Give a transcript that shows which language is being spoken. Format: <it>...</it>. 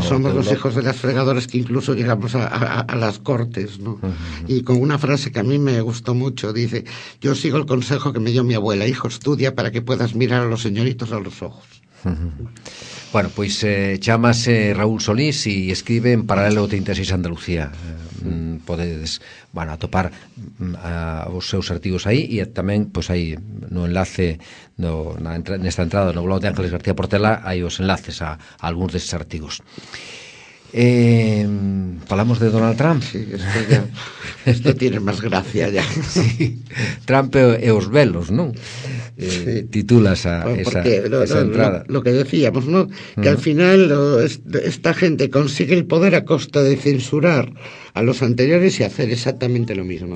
<es>Que somos los hijos de las fregadoras, que incluso llegamos a las cortes, ¿no? Y con una frase que a mí me gustó mucho, dice: yo sigo el consejo que me dio mi abuela, hijo, estudia para que puedas mirar a los señoritos a los ojos.</es> <gl>Bueno, pues chámase Raúl Solís y escribe en Paralelo 36 Andalucía. Podedes, bueno, atopar os seus artigos aí e tamén, pois, pues, aí no enlace nesta entrada no blog de Ángeles García Portela hai os enlaces a algúns deses artigos. Falamos de Donald Trump.</gl> <es>Sí, esto tiene más gracia ya.</es> <gl>Sí, Trump e os velos, non?</gl> <es>Sí. Titulas a esa, bueno, esa entrada. Lo que decíamos, ¿no? Que al final esta gente consigue el poder a costa de censurar a los anteriores y hacer exactamente lo mismo, ¿no?</es>